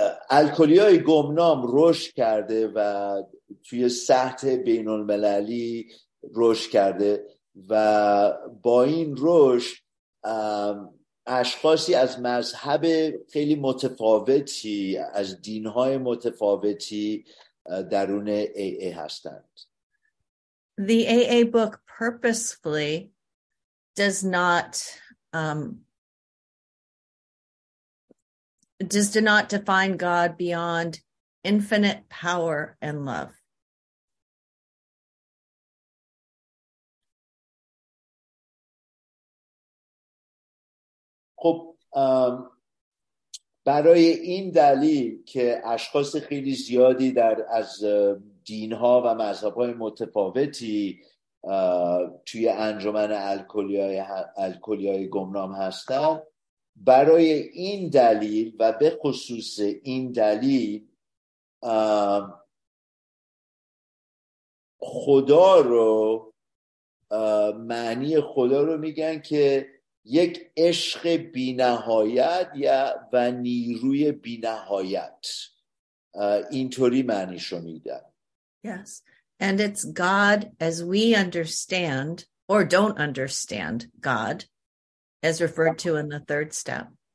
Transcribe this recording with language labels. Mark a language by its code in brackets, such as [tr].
[fa] الکلیای گمنام رشد کرده و توی سطح بین المللی رشد کرده و با این رشد اشخاصی از مذهب خیلی متفاوتی، از دینهای متفاوتی درون AA هستند. [en] the AA book purposefully does not does not define God beyond infinite power and love. [fa] خب برای این دلیل که اشخاص خیلی زیادی در از دینها و مذهبهای متفاوتی توی انجمن الکلی‌های گمنام هستن، برای این دلیل و به خصوص این دلیل خدا رو معنی خدا رو میگن که یک عشق بی نهایت و نیروی بی نهایت، اینطوری معنیشو میدن. [en] Yes, and it's God as we understand or don't understand God, as referred to in the third step.